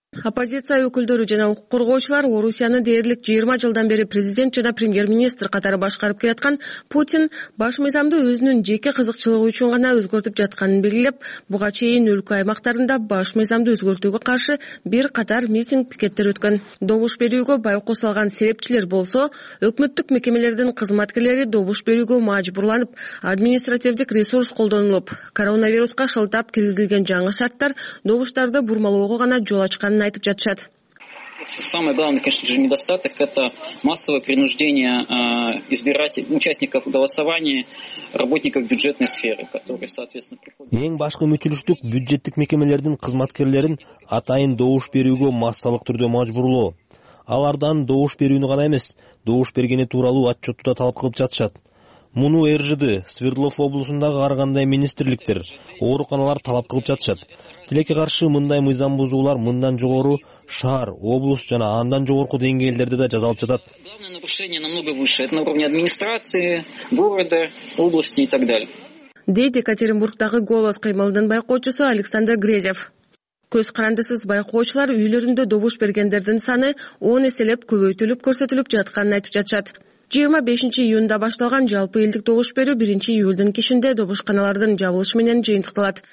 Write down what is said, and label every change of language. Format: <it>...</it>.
<ky>Оппозиция өкүлдөрү жана укук коргоочулар Орусияны дээрлик 20 жылдан бери президент жана премьер-министр катары башкарып келаткан Путин баш мыйзамды өзүнүн жеке кызыкчылыгы үчүн гана өзгөртүп жатканын белгилеп, буга чейин өлкө аймактарында баш мыйзамды өзгөртүүгө каршы бир катар митинг пикеттер өткөн. Добуш берүүгө байкоо салган себепчилер болсо, өкмөттүк мекемелердин кызматкерлери добуш берүүгө мажбурланып, административдик ресурс колдонулуп, коронавируска шылтап киргизилген жаңы шарттар добуштарды бурмалоого гана жол ачкан.</ky> <ru>Самый главный, конечно же, недостаток – это массовое принуждение избирателей, участников голосования, работников бюджетной сферы, которые, соответственно, приходят.</ru> <ky>Эң башкы мүчүлүштүк бюджеттик мекемелердин кызматкерлерин атайын добуш берүүгө массалык түрдө мажбурлоо. Алардан добуш берүүнү гана эмес, добуш бергени тууралуу отчётту да талап кылып жатышат. Муну РЖД, Свердлов облусундагы ар кандай министрликтер, ооруканалар талап кылып жатышат. Тилекке каршы мындай мыйзам бузуулар мындан жогору шаар, облус жана андан жогорку деңгээлдерде да жазылып жатат.</ky> <ru>Главное нарушение намного выше, это на уровне администрации, города, области и так далее.</ru> <ky>Дейт Екатеринбургдагы Голос кыймылдын байкоочусу Александр Грезев. Көз карандысыз байкоочулар үйлөрүндө добуш бергендердин саны 10 эселеп көбөйтүлүп көрсөтүлүп жатканын айтып жатышат. 25 июнда башталган жалпы элдик добуш берүү 1 июлдун кишинде добушканалардын жабылышы менен жыйынтыкталат.</ky>